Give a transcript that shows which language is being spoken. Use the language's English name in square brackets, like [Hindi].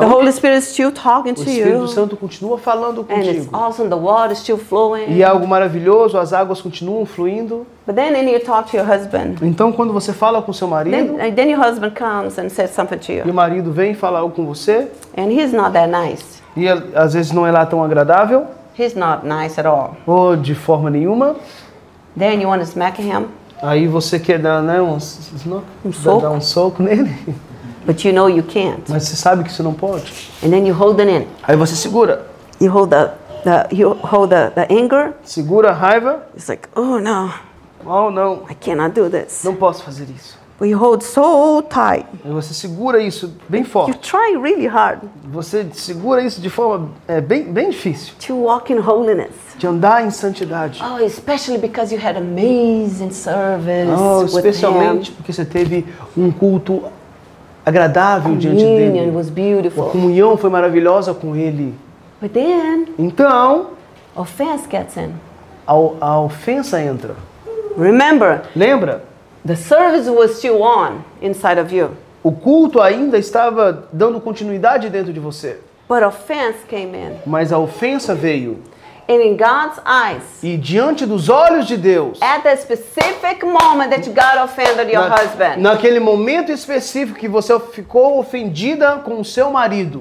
[English] The Holy Spirit is still talking to you. [Portuguese] O Espírito Santo continua falando contigo. [English] And it's awesome, the water is still flowing. [Portuguese] E algo maravilhoso, as águas continuam fluindo. [English] But then you talk to your husband. [Portuguese] Então quando você fala com seu marido. [English] Then your husband comes and says something to you. [Portuguese] E o marido vem falar algo com você. [English] And he's not that nice. [Portuguese] E ele, às vezes não é lá tão agradável. [English] He's not nice at all. [Portuguese] Ou de forma nenhuma. [English] Then you want to smack him. [Portuguese] Aí você quer dar, né, um soco nele. [English] But you know you can't. [Portuguese] Mas você sabe que você não pode. [English] And then you hold it in. [Portuguese] Aí você segura. [English] You hold the anger. [Portuguese] Segura a raiva. [English] It's like, oh no. Oh no. I cannot do this. [Portuguese] Não posso fazer isso. [English] But you hold so tight. [Portuguese] Aí você segura isso bem forte. [English] You try really hard. [Portuguese] Você segura isso de forma bem difícil. [English] To walk in holiness. [Portuguese] De andar em santidade. [English] Oh, especially because you had amazing service. [Portuguese] Oh, especialmente porque você teve um culto agradável diante dele. [English] Communion was beautiful. [Portuguese] A comunhão foi maravilhosa com ele. [English] But then, [Portuguese] então, [English] offense gets in. [Portuguese] A ofensa entra. [English] Remember? [Portuguese] Lembra? [English] The service was still on inside of you. [Portuguese] O culto ainda estava dando continuidade dentro de você. [English] But offense came in. [Portuguese] Mas a ofensa veio. [English] And in God's eyes. [Portuguese] E diante dos olhos de Deus. [English] At the specific moment that God offended your husband. [Portuguese] Naquele momento específico que você ficou ofendida com o seu marido.